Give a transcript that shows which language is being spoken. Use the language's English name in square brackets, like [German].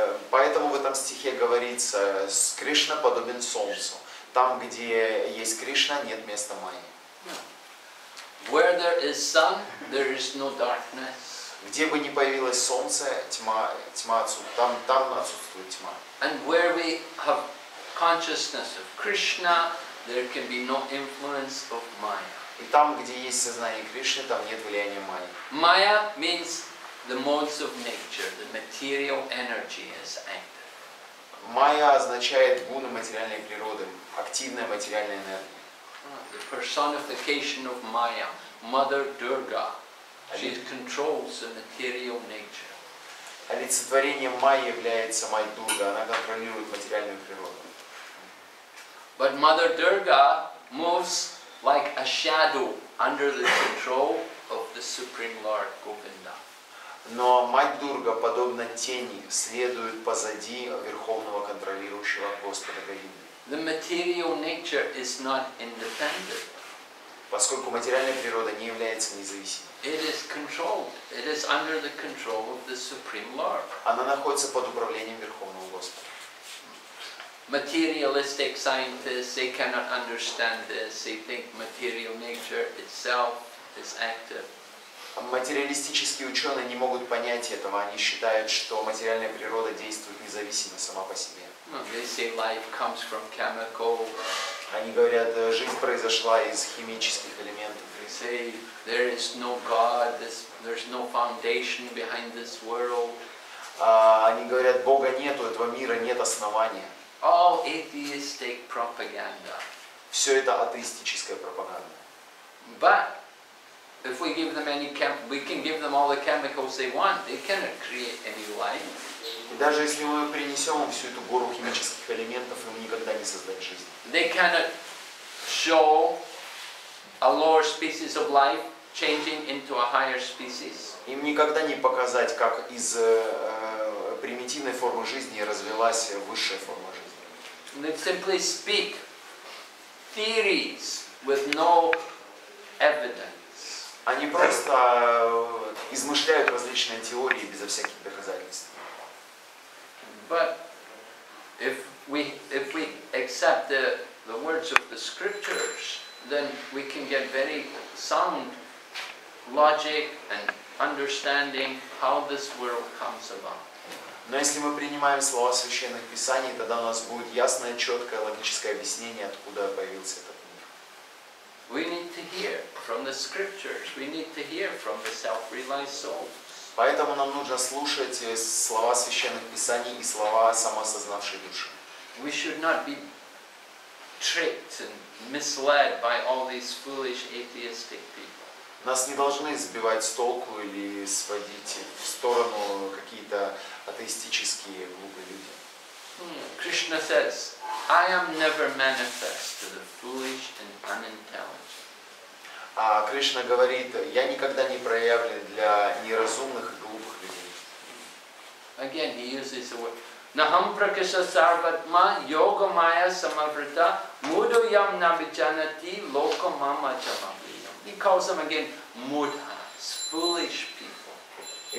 [Russian] Поэтому в этом стихе говорится, Кришна подобен солнцу. Там, где есть Кришна, нет места Майи. [English] Where there is sun, there is no darkness. [Russian] Где бы ни появилось солнце, тьма отсутствует. Там отсутствует тьма. [English] And where we have consciousness of Krishna, there can be no influence of Maya. [Russian] И там, где есть сознание Кришны, там нет влияния Майи. [English] Maya means the modes of nature, the material energy is active. [Russian] Майя означает гуны материальной природы, активная материальная энергия. [English] The personification of Maya, Mother Durga, she controls the material nature. [Russian] Олицетворением Майи является Мать Дурга, она контролирует материальную природу. [English] But Mother Durga moves like a shadow under the control of the Supreme Lord Govinda. [Russian] Но Мать Дурга, подобно тени, следует позади верховного контролирующего Господа Говинды. [English] The material nature is not independent. [Russian] Поскольку материальная природа не является независимой. [English] It is controlled. It is under the control of the Supreme Lord. [Russian] Она находится под управлением Верховного Господа. [English] Materialistic scientists, they cannot understand this. They think material nature itself is active. [Russian] Материалистические ученые не могут понять этого. Они считают, что материальная природа действует независимо сама по себе. [English] They say life comes from chemicals. [Russian] Они говорят, жизнь произошла из химических элементов. [English] They say there is no God. There's no foundation behind this world. [Russian] Они говорят, Бога нету, этого мира нет основания. [English] All atheistic propaganda. [Russian] Все это атеистическая пропаганда. [English] But if we give them any chem, we can give them all the chemicals they want. They cannot create any life. [Russian] И даже если мы принесем им всю эту гору химических элементов, им никогда не создать жизнь. [English] They cannot show a lower species of life changing into a higher species. [Russian] Им никогда не показать, как из примитивной формы жизни развилась высшая форма жизни. [English] They simply speak theories with no evidence. [Russian] Они просто измышляют различные теории безо всяких доказательств. [English] But if we accept the words of the scriptures, then we can get very sound logic and understanding how this world comes about. [Russian] Но если мы принимаем слова священных писаний, тогда у нас будет ясное, четкое, логическое объяснение, откуда появился этот мир. [English] We need to hear from the scriptures. We need to hear from the self-realized soul. [Russian] Поэтому нам нужно слушать слова священных писаний и слова самосознавшей души. [English] We should not be tricked and misled by all these foolish atheistic people. [Russian] Нас не должны сбивать с толку или сводить в сторону какие-то атеистические глупые люди. [English] Krishna says, I am never manifest to the foolish and unintelligent. [Russian] А Кришна говорит, я никогда не проявлен для неразумных и глупых людей. [English] Again, he uses the word. [Sanskrit] Нахам пракиша сарватма йога майя самаврита мудо ям набичанати локо мама чамабриям. [English] He calls them again мудхас, foolish people.